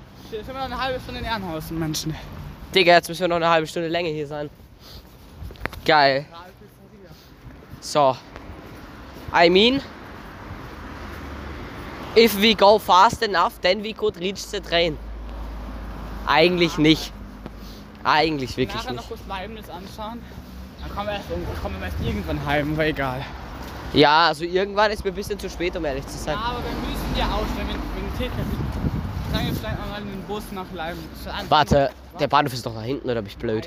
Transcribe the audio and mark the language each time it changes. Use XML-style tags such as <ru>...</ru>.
<de>Jetzt sind wir noch eine halbe Stunde in Ehrenhausen, Menschen. Digga, jetzt müssen wir noch eine halbe Stunde länger hier sein. Geil. So.</de> <en>I mean, if we go fast enough, then we could reach the train.</en> <de>Eigentlich nicht. Eigentlich wirklich nicht. Wenn wir nachher noch kurz Leibniz anschauen, dann kommen wir erst irgendwann heim, aber egal. Ja, also irgendwann ist mir ein bisschen zu spät, um ehrlich zu sein. Ja, aber wir müssen ja aussteigen, wenn ein Ticket ist. Dann steigen wir mal in den Bus nach Leibniz. Warte, der Bahnhof ist doch nach hinten, oder bin ich blöd?</de>